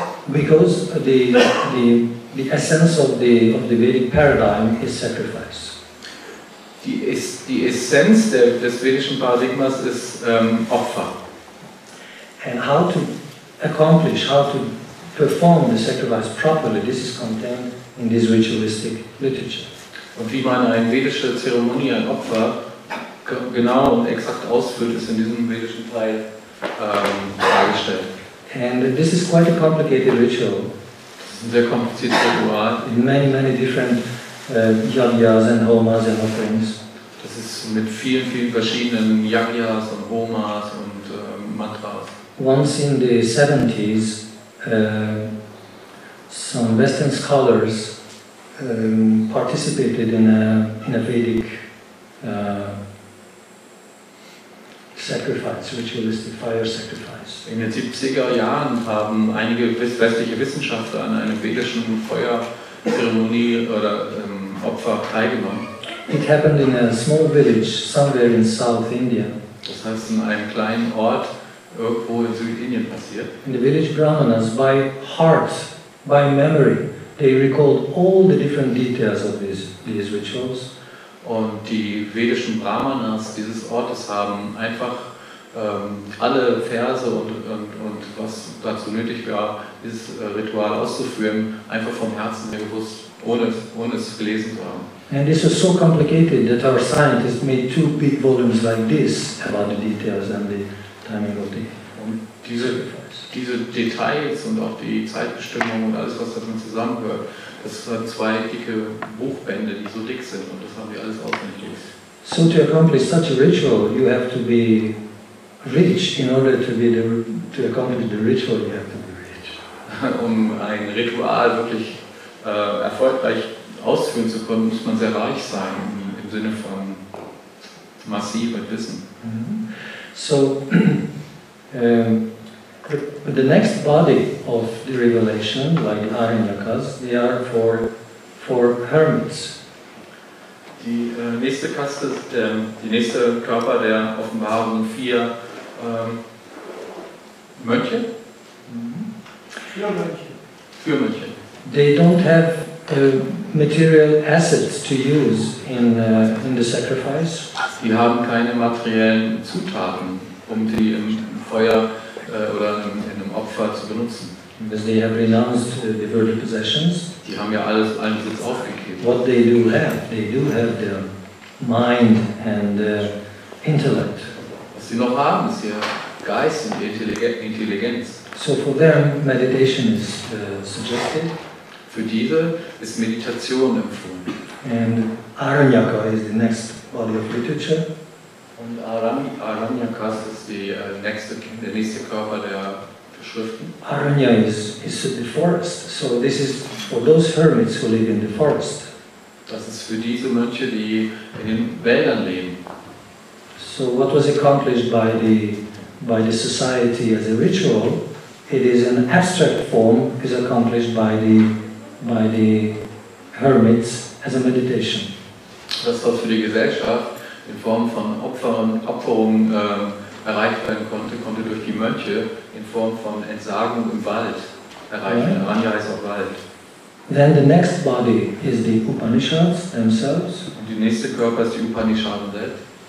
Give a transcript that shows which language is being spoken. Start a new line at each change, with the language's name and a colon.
English: Because the essence of the Vedic paradigm is sacrifice.
German: Die Essenz des vedischen Paradigmas ist Opfer.
English: And how to accomplish, how to perform the sacrifice properly, this is contained in this ritualistic literature.
German: Und wie man eine vedische Zeremonie, ein Opfer, genau und exakt ausführt, ist in diesem vedischen Teil dargestellt.
English: And this is quite a complicated ritual.
German: Das ist ein sehr kompliziertes Ritual.
English: In many, many different yajnas and homas and offerings.
German: Das ist mit vielen, vielen verschiedenen yajnas und homas und mantras.
English: Once in the 70s, some Western scholars participated in a Vedic sacrifice, ritualistic fire sacrifice.
German: In den 70er Jahren haben einige westliche Wissenschaftler an einer vedischen Feuerzeremonie oder Opfer teilgenommen.
English: It happened in a small village somewhere in South India.
German: Das heißt in einem kleinen Ort. Irgendwo in Südindien passiert.
English: In the village Brahmanas, by heart, by memory, they recalled all the different details of these rituals.
German: Und die vedischen Brahmanas dieses Ortes haben einfach alle Verse und was dazu nötig war, dieses Ritual auszuführen, einfach vom Herzen her gewusst, ohne es gelesen zu haben.
English: And this was so complicated that our scientists made two big volumes like this about the details and the
German: Und diese diese Details und auch die Zeitbestimmung und alles, was damit zusammengehört, das sind zwei dicke Buchbände, die so dick sind, und das haben wir alles auswendig gelesen.
English: So to accomplish such a ritual, you have to be rich. In order to be to accomplish the ritual, you have to be rich.
German: Um ein Ritual wirklich erfolgreich ausführen zu können, muss man sehr reich sein, im Sinne von massivem Wissen. Mm-hmm.
English: So, the next body of the revelation, like Aranyakas, they are for hermits.
German: Die nächste Kaste, die nächste Körper der Offenbarung 4, Mönche? Mm-hmm. Für Mönche.
English: They don't have material assets to use in the sacrifice.
German: Sie haben keine materiellen Zutaten, um die im Feuer oder in einem Opfer zu benutzen.
English: Because they have renounced the worldly possessions.
German: Die haben ja alles allen Besitz aufgegeben.
English: What they do have their mind and intellect.
German: Was sie noch haben, ist ihr Geist und Intelligenz.
English: So for them, meditation is suggested.
German: Für diese ist Meditation empfohlen.
English: And Aranyaka is the next body of literature.
German: Und Aranyakas ist der nächste Körper der Schriften.
English: Aranya is the forest. So this is for those hermits who live in the forest.
German: Das ist für diese Mönche, die in den Wäldern leben.
English: So what was accomplished by the society as a ritual, it is an abstract form, is accomplished by the hermits as a meditation.
German: Das, was für die Gesellschaft in Form von Opferungen erreicht werden konnte durch die Mönche in Form von Entsagung im Wald erreicht werden. Aranya ist auch Wald.
English: Then the next body is the Upanishads themselves.
German: Und die nächste Körper ist die Upanishaden selbst.